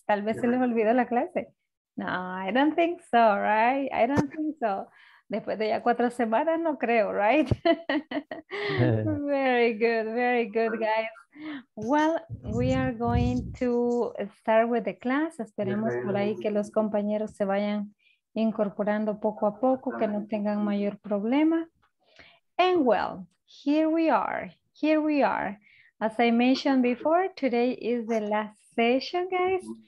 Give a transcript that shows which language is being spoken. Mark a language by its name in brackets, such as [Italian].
[Spanish] Tal vez se les olvidó la clase. [English] No, I don't think so, right? I don't think so. [Spanish] Después de ya 4 semanas, no creo, [English] right? Very good, very good, guys. Well, we are going to start with the class. [Spanish] Esperemos por ahí que los compañeros se vayan incorporando poco a poco, que no tengan mayor problema. [English] And well, here we are. Here we are. As I mentioned before, today is the last session, guys.